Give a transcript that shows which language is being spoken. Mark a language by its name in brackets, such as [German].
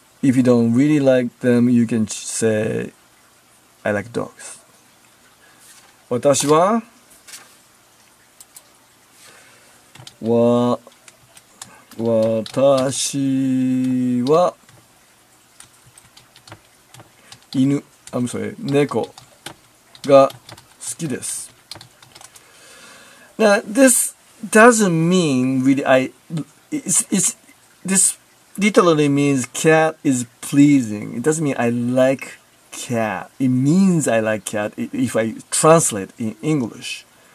[English] If you don't really like them, you can say I like dogs. [Japanese] 私は私は犬、あ、むそれ、猫が好きです。 [English] Now, this doesn't mean really, this literally means cat is pleasing. It doesn't mean I like cat. It means I like cat if I translate in English.